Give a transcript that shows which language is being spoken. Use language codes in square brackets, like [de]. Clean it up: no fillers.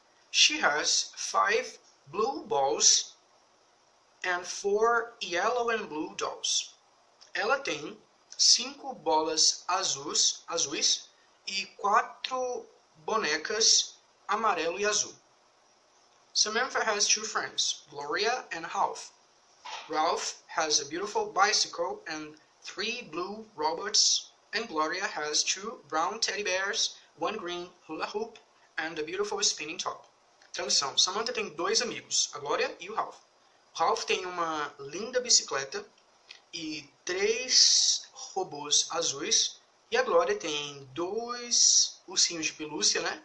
[en] She has five blue balls and four yellow and blue dolls. [pt] Ela tem cinco bolas azuis e quatro bonecas amarelo e azul. [en] Samantha has two friends, Gloria and Ralph. Ralph has a beautiful bicycle and three blue robots. And Gloria has two brown teddy bears, one green hula hoop, and a beautiful spinning top. [pt] Tradução. Samantha tem dois amigos, a Glória e o Ralph. O Ralph tem uma linda bicicleta e três robôs azuis. E a Glória tem dois ursinhos de pelúcia, né?